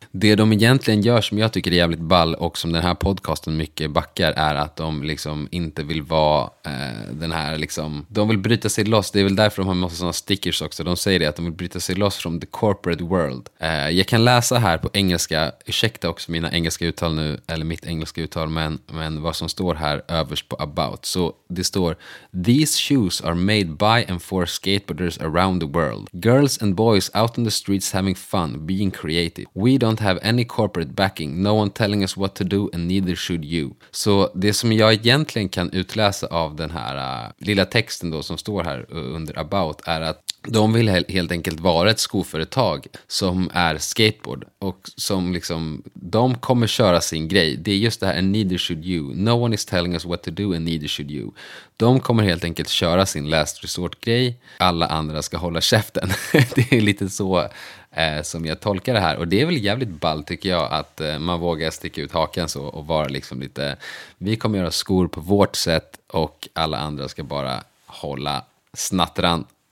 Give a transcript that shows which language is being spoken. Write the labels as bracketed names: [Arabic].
[Swedish] Det de egentligen gör som jag tycker är jävligt ball och som den här podcasten mycket backar är att de liksom inte vill vara den här liksom, de vill bryta sig loss. Det är väl därför de har en massa sådana stickers också. De säger det, att de vill bryta sig loss från [English] the corporate world. [Swedish] Jag kan läsa här på engelska, ursäkta också mina engelska uttal nu, eller mitt engelska uttal, men vad som står här överst på [English] about. So the store: these shoes are made by and for skateboarders around the world. Girls and boys out on the streets having fun, being creative. We don't have any corporate backing, no one telling us what to do, and neither should you. [Swedish] Så det som jag egentligen kan utläsa av den här lilla texten då som står här under about är att de vill helt enkelt vara ett skoföretag som är skateboard och som liksom, de kommer köra sin grej. Det är just det här, [English] and neither should you. No one is telling us what to do and neither should you. [Swedish] De kommer helt enkelt köra sin last resort-grej. Alla andra ska hålla käften. Det är lite så som jag tolkar det här. Och det är väl jävligt ball tycker jag att man vågar sticka ut hakan så och vara liksom lite, vi kommer göra skor på vårt sätt och alla andra ska bara hålla snattran.